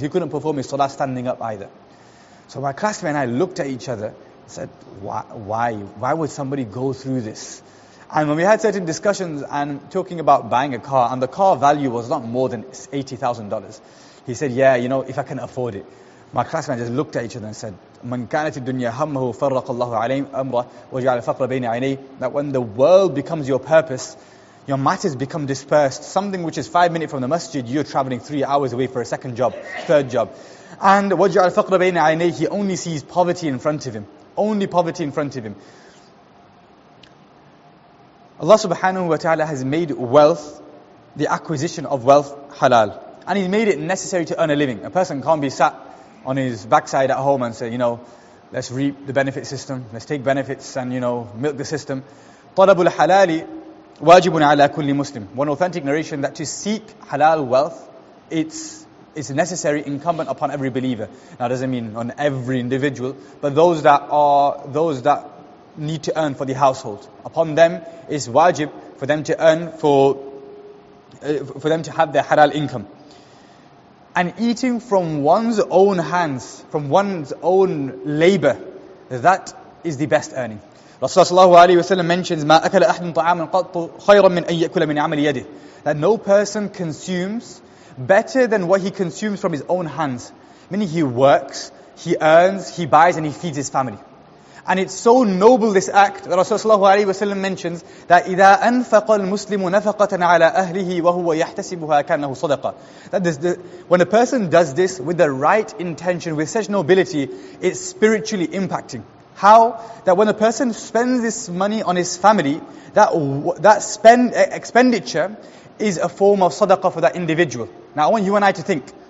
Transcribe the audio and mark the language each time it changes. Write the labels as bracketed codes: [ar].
[en] He couldn't perform his salah standing up either. So my classmate and I looked at each other and said, why would somebody go through this? And when we had certain discussions and talking about buying a car, and the car value was not more than $80,000, he said, yeah, you know, if I can afford it. My classmate just looked at each other and said, [ar] مَنْ كَانَتِ الدُّنْيَا هَمَّهُ فَرَّقَ اللَّهُ عَلَيْهِ أَمْرَ وَجَعَلَ الْفَقْرَ بَيْنِ عَيْنَيْهِ. [en] That when the world becomes your purpose, your matters become dispersed. Something which is 5 minutes from the masjid, you're traveling 3 hours away for a second job, third job. And [ar] وَجَعَلَ الْفَقْرَ بَيْنِ عَيْنَيْهِ, [en] he only sees poverty in front of him. Only poverty in front of him. Allah subhanahu wa ta'ala has made wealth, the acquisition of wealth, halal. And he's made it necessary to earn a living. A person can't be sat on his backside at home and say, you know, let's reap the benefit system, let's take benefits and, you know, milk the system. [ar] طَلَبُ الْحَلَالِ وَاجِبٌ عَلَىٰ كُلِّ مُسْلِمٍ. [en] One authentic narration that to seek halal wealth, it's necessary, incumbent upon every believer. Now, it doesn't mean on every individual, but those that need to earn for the household. Upon them, it's wajib for them to earn, for them to have their halal income. And eating from one's own hands, from one's own labor, that is the best earning. Rasulullah ﷺ mentions, [ar] مَا أَكَلَ أَحْدٍ طَعَامًا قَطُّ خَيْرًا مِنْ أَنْ يَأْكُلَ مِنْ عَمَلِ يَدِهِ. [en] That no person consumes better than what he consumes from his own hands. Meaning he works, he earns, he buys, and he feeds his family. And it's so noble, this act, that Rasulullah ﷺ mentions that [ar] إِذَا أَنْفَقَ الْمُسْلِمُ نَفَقَةً عَلَىٰ أَهْلِهِ وَهُوَ يَحْتَسِبُهَا كَانَهُ صَدَقًا. [en] That when a person does this with the right intention, with such nobility, it's spiritually impacting. How? That when a person spends this money on his family, that expenditure is a form of sadaqah for that individual. Now, I want you and I to think.